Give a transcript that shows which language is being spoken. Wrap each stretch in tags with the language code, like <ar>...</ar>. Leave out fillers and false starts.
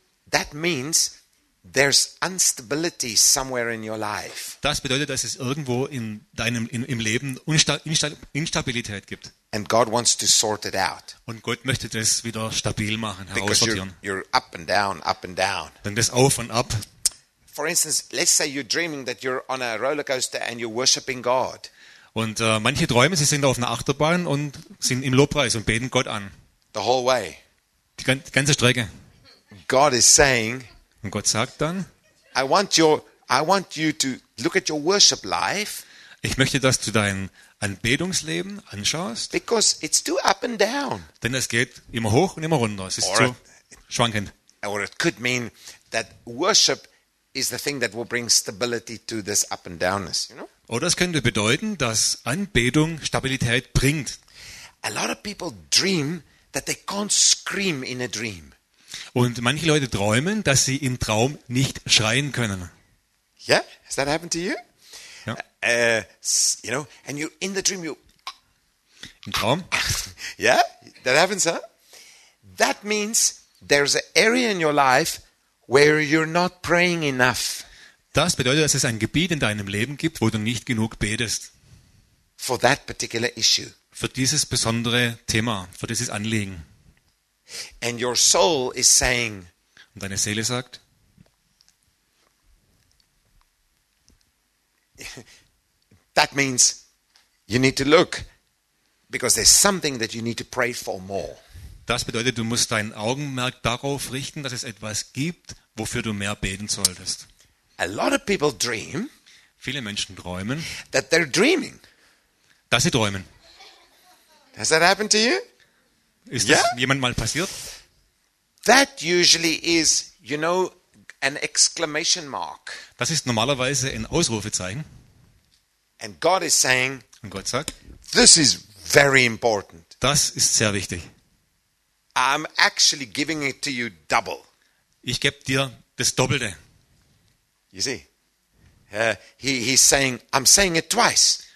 <en>That means there's instability somewhere in your life.</en> <de>Das bedeutet, dass es irgendwo in deinem im Leben Instabilität gibt.</de> <en>And God wants to sort it out.</en> <de>Und Gott möchte das wieder stabil machen, heraussortieren.</de> <en>Because you're up and down, up and down.</en> <de>Dann das auf und ab.</de> <en>For instance, let's say you're dreaming that you're on a roller coaster and you're worshiping God.</en> <de>Und manche träumen, sie sind auf einer Achterbahn und sind im Lobpreis und beten Gott an.</de> <en>The whole way.</en> <de>Die ganze Strecke.</de> <en>God is saying.</en> <de>Und Gott sagt dann.</de> <en>I want you to look at your worship life.</en> <de>Ich möchte, dass du dein Anbetungsleben anschaust.</de> <en>Because it's too up and down.</en> <de>Denn es geht immer hoch und immer runter. Es ist zu schwankend.</de> <en>Or it could mean that worship is the thing that will bring stability to this up and downness, you know?</en> <de>Oder es könnte bedeuten, dass Anbetung Stabilität bringt.</de> <en>A lot of people dream that they can't scream in a dream.</en> <de>Und manche Leute träumen, dass sie im Traum nicht schreien können.</de> <en>Yeah, has that happened to you?</en> <de>Ja.</de> <en>You know, and you in the dream you.</en> <de>Im Traum?</de> <en>Yeah, that happens, huh? That means there's an area in your life where you're not praying enough.</en> <de>Das bedeutet, dass es ein Gebiet in deinem Leben gibt, wo du nicht genug betest.</de> <en>For that particular issue.</en> <de>Für dieses besondere Thema, für dieses Anliegen.</de> <en>And your soul is saying.</en> <de>Und deine Seele sagt.</de> <en>That means you need to look, because there's something that you need to pray for more.</en> <de>Das bedeutet, du musst dein Augenmerk darauf richten, dass es etwas gibt, wofür du mehr beten solltest.</de> <en>A lot of people dream.</en> <de>Viele Menschen träumen.</de> <en>That they're dreaming.</en> <de>Dass sie träumen.</de> <en>Has that happened to you?</en> <de>Ist yeah? Das jemand mal passiert?</de> <en>That usually is, you know, an exclamation mark.</en> <de>Das ist normalerweise ein Ausrufezeichen.</de> <en>And God is saying.</en> <de>Und Gott sagt.</de> <en>This is very important.</en> <de>Das ist sehr wichtig.</de> <en>I'm actually giving it to you double.</en> <de>Ich gebe dir das Doppelte.</de> <en>You see? He's saying, I'm saying it twice.</en>